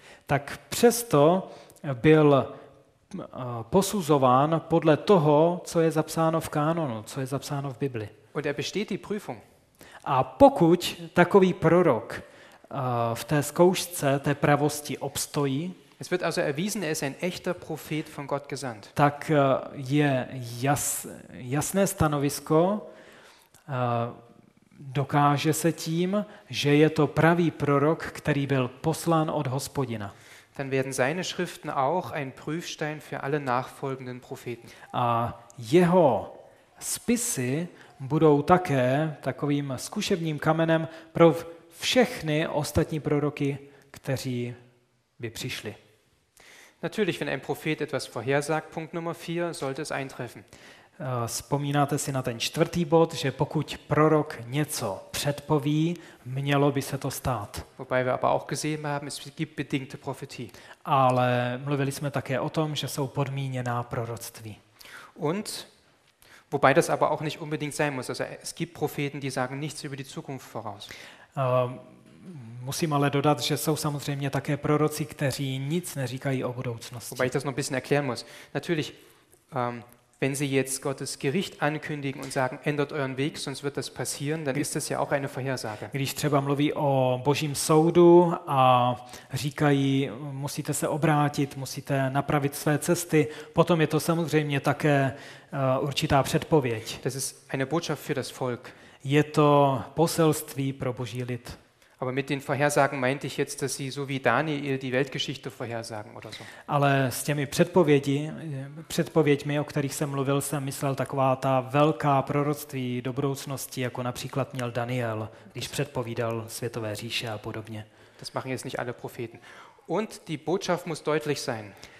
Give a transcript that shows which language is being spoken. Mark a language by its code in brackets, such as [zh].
[cs] Tak přesto byl posuzován podle toho, co je zapsáno v kanonu, co je zapsáno v Bibli. [de] Und er besteht die Prüfung. [cs] A pokud takový prorok v té zkoušce té pravosti obstojí. [de] Es wird also erwiesen, er ist ein echter Prophet von Gott gesandt. [cs] Tak je jasné stanovisko, dokáže se tím, že je to pravý prorok, který byl poslán od Hospodina. [de] Dann werden seine Schriften auch ein Prüfstein für alle nachfolgenden Propheten. [cs] A jeho spisy budou také takovým zkušebním kamenem pro všechny ostatní proroky, kteří by přišli. [de] Natürlich, wenn ein Prophet etwas vorhersagt, Punkt Nummer 4, sollte es eintreffen. [cs] Vzpomínáte si na ten čtvrtý bod, že pokud prorok něco předpoví, mělo by se to stát. [de] Wobei wir aber auch gesehen haben, es gibt bedingte Prophetie. [cs] Ale mluvili jsme také o tom, že jsou podmíněná proroctví. [de] Und Wobei das aber auch nicht unbedingt sein muss. Also es gibt Propheten, die sagen nichts über die Zukunft voraus. [cs] Musím ale dodat, že jsou samozřejmě také proroci, kteří nic neříkají o budoucnosti. [de] Wobei ich das noch ein bisschen erklären muss. Natürlich, wenn sie jetzt Gottes Gericht ankündigen und sagen, ändert euren Weg, sonst wird das passieren, dann ist das ja auch eine Vorhersage. [cs] Když třeba mluví o Božím soudu a říkají, musíte se obrátit, musíte napravit své cesty, potom je to samozřejmě také určitá předpověď. [de] Das ist eine Botschaft für das Volk. [cs] Je to poselství pro Boží lid. [de] Aber mit den Vorhersagen meinte ich jetzt, dass sie so wie Daniel die Weltgeschichte vorhersagen oder so. [cs] Ale s těmi předpověďmi, o kterých jsem mluvil, jsem myslel taková ta velká proroctví do budoucnosti, jako například měl Daniel, když předpovídal světové říše a podobně. [de] Das machen jetzt nicht alle Propheten. Und die Botschaft muss deutlich sein.